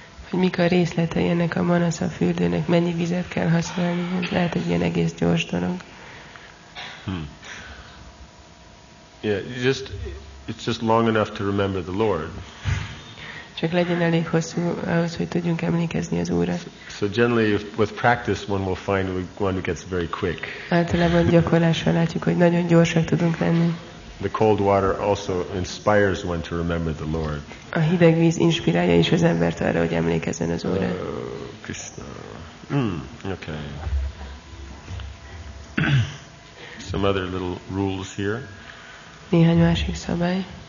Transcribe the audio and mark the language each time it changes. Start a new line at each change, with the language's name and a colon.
Hungarian: Hogy mik a részletei ennek a manasza fürdőnek, mennyi vizet kell használni, ez lehet egy ilyen egész gyors dolog.
English: Yeah, it's just long enough to remember the Lord.
Hungarian: Csak legyen elég hosszú ahhoz, hogy tudjunk emlékezni az Úrra.
English: So generally with practice one will find one gets very quick.
Hungarian: Általában gyakorlással látjuk, hogy nagyon gyorsak tudunk lenni.
English: The cold water also inspires one to remember the Lord.
Hungarian: A hideg víz inspirálja is az embert arra, hogy emlékezzen az Úrra.
English: Krishna. Okay. Some other little rules here.
Hungarian: Néhány másik szabály.